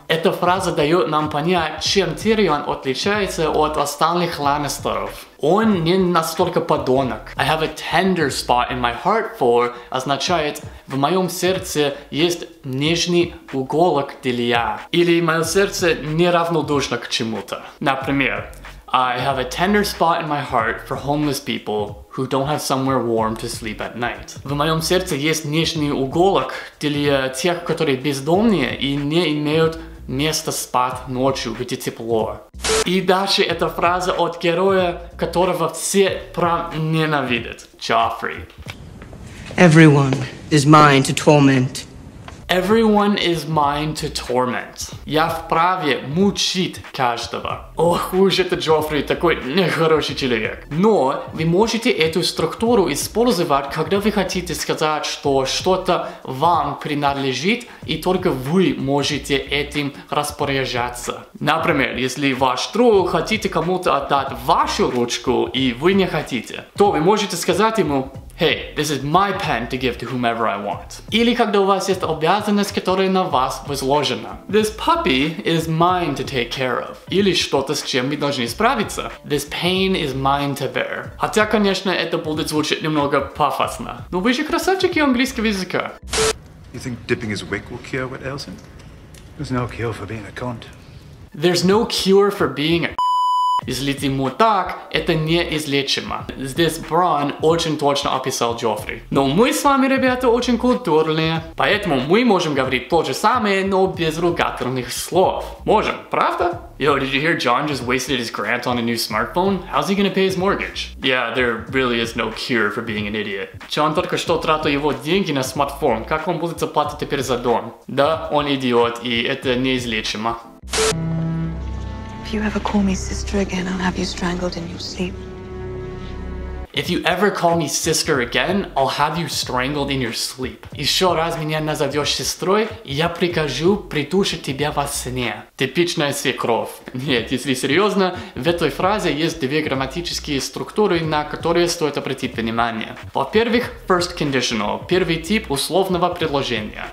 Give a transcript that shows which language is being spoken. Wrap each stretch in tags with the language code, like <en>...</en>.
<ru>Эта фраза дает нам понять, чем Тирион отличается от остальных Ланнистеров. Он не настолько подонок.</ru> <en>I have a tender spot in my heart for</en> <ru>означает: в моем сердце есть нежный уголок для. Или мое сердце неравнодушно к чему-то. Например,</ru> <en>I have a tender spot in my heart for homeless people who don't have somewhere warm to sleep at night.</en> <ru>В моем сердце есть нежный уголок для тех, которые бездомные и не имеют места спать ночью, где тепло. И дальше эта фраза от героя, которого все прям ненавидят. Джоффри.</ru> <en>Everyone is mine to torment. Everyone is mine to torment.</en> <ru>Я вправе мучить каждого. Ох, уж это Джоффри, такой нехороший человек. Но вы можете эту структуру использовать, когда вы хотите сказать, что что-то вам принадлежит, и только вы можете этим распоряжаться. Например, если ваш друг хотите кому-то отдать вашу ручку, и вы не хотите, то вы можете сказать ему:</ru> <en>Hey, this is my pen to give to whomever I want.</en> <ru>Или когда у вас есть обязанность, которая на вас возложена.</ru> <en>This puppy is mine to take care of.</en> <ru>Или что-то, с чем вы должны справиться.</ru> <en>This pain is mine to bear.</en> <ru>Хотя, конечно, это будет звучать немного пафосно. Но вы же красавчики английского языка.</ru> <en>You think dipping his wick will cure what ails him? There's no cure for being a cunt. There's no cure for being a...</en> <ru>Если ему так, это неизлечимо. Здесь Бран очень точно описал Джоффри. Но мы с вами, ребята, очень культурные. Поэтому мы можем говорить то же самое, но без ругательных слов. Можем, правда?</ru> <en>Yo, did you hear John just wasted his grant on a new smartphone? How's he gonna pay his mortgage? Yeah, there really is no cure for being an idiot.</en> <ru>John только что тратил его деньги на смартфон. Как он будет заплатить теперь за дом? Да, он идиот, и это неизлечимо.</ru> <en>If you ever call me sister again, I'll have you strangled in your sleep. If you ever call me sister again, I'll have you strangled in your sleep.</en> <ru>Еще раз меня назовешь сестрой, я прикажу придушить тебя во сне. Типичная свекровь. Нет, если серьезно, в этой фразе есть две грамматические структуры, на которые стоит обратить внимание. Во-первых, first conditional, первый тип условного предложения.</ru>